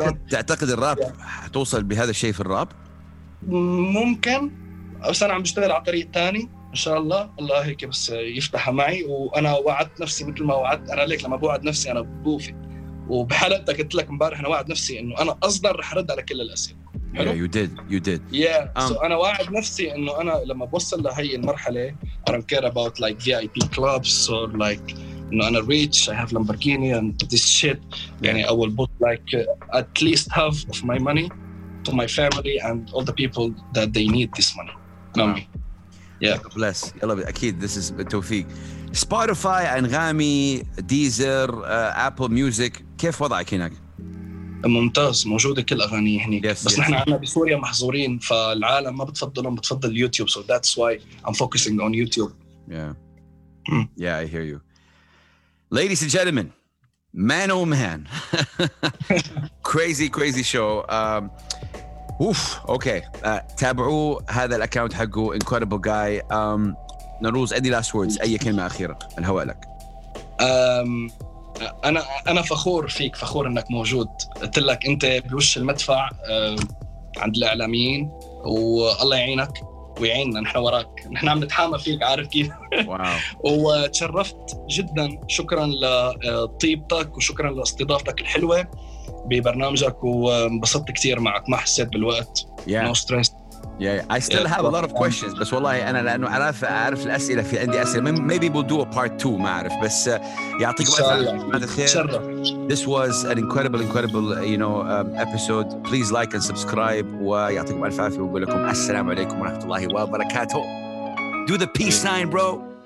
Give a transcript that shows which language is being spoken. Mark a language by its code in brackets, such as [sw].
[ar] تعتقد الراب حتوصل بهذا الشيء في الراب ممكن بس انا عم بشتغل على طريق ثاني إن شاء الله الله هيك بس يفتح معي. وأنا وعدت نفسي مثل ما وعدت أنا لك، لما بوعد نفسي أنا بوفي. وبحلقتك قلت لك مبارح أنا وعد نفسي إنه أنا أصدر رح أرد على كل الأسئلة. حلو. [en] Yeah, you did. You did. Yeah. So [ar] أنا وعد نفسي إنه أنا لما بوصل لهي المرحلة [en] I don't care about like VIP clubs or like [ar] إنه أنا [en] rich I have Lamborghini and this shit. [ar] يعني [en] I will put like at least half of my money to my family and all the people that they need this money. Know me. Yeah. God bless. I love it. [ar] أكيد [en] this is [ar] توفيق. Spotify, Anghami, Deezer, Apple Music. كيف وضعك هناك؟ ممتاز، موجودة كل أغاني هني. [en] Yes, [ar] بس [en] yes. [ar] نحن عنا بسوريا محظورين، فالعالم ما بتفضلهم، بتفضل يوتيوب. [en] So that's why I'm focusing on YouTube. Yeah. Yeah, I hear you. Ladies and gentlemen, man oh man. Crazy, crazy show. Oof. Okay. [ar] تابعوا هذا الأكاونت حقه. [en] Incredible guy. [ar] نروز، [en] any last words؟ [ar] أي كلمة أخيرة؟ الهواء لك. أنا فخور فيك، فخور إنك موجود. قلت لك أنت بوش المدفع عند الإعلاميين، والله يعينك ويعيننا، نحن وراك، نحن عم نتحامى فيك، عارف كيف. وتشرفت جدا، شكرا لطيبتك وشكرا لاستضافتك الحلوة ببرنامجك، وانبسطت كثير معك، ما حسيت بالوقت. [en] Yeah. No stress. Yeah, I still have a lot of questions. [ar] بس والله أنا لأنه أعرف الأسئلة، في عندي أسئلة. [en] Maybe we'll do a part two. [ar] ما أعرف. بس يعطيك الخير. [en] This was an incredible, incredible, you know, episode. Please like and subscribe. [ar] ويعطيكم ألف عافية، وأقول لكم السلام عليكم ورحمة الله وبركاته. [en] Do the peace sign, bro.